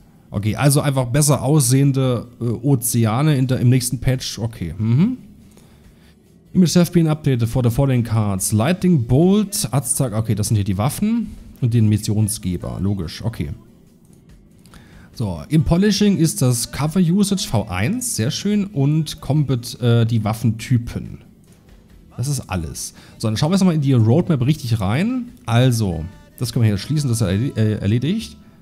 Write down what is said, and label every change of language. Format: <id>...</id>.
<de>Okay, also einfach besser aussehende Ozeane in im nächsten Patch.</de> <en>Okay, Image have been updated for the following cards.</en> <de>Lightning Bolt, Aztag, okay, das sind hier die Waffen und den Missionsgeber. Logisch, okay. So, im Polishing ist das Cover Usage V1, sehr schön, und Combat die Waffentypen. Das ist alles. So, dann schauen wir jetzt mal in die Roadmap richtig rein. Also, das können wir hier schließen, das ist erledigt.</de>